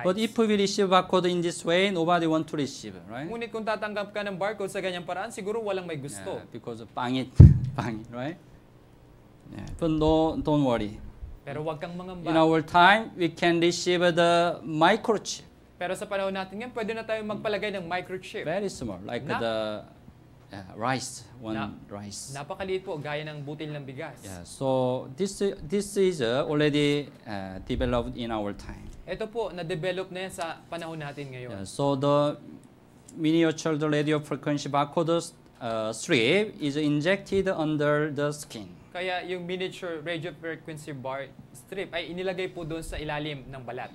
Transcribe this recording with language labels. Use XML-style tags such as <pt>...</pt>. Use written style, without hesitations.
<en>But if we receive barcode in this way, nobody want to receive, right?</en> <tl>Ngunit kung tatanggap ka ng barcode sa ganyang paraan, siguro walang may gusto.</tl> <en>Yeah, because of pangit. Pangit, right? Yeah. But no, don't worry.</en> <tl>Pero huwag kang mangamba.</tl> <en>In our time, we can receive the microchip.</en> <tl>Pero sa panahon natin ngayon, pwede na tayong magpalagay ng microchip.</tl> <en>Very small, like the rice.</en> <tl>Napakaliit po, gaya ng butil ng bigas.</tl> <en>Yeah, so this is already developed in our time.</en> <tl>Ito po, na-develop na yan sa panahon natin ngayon.</tl> <en>Yeah, so the miniature radio frequency barcode strip is injected under the skin.</en> <tl>Kaya yung miniature radio frequency bar strip ay inilagay po doon sa ilalim ng balat.</tl>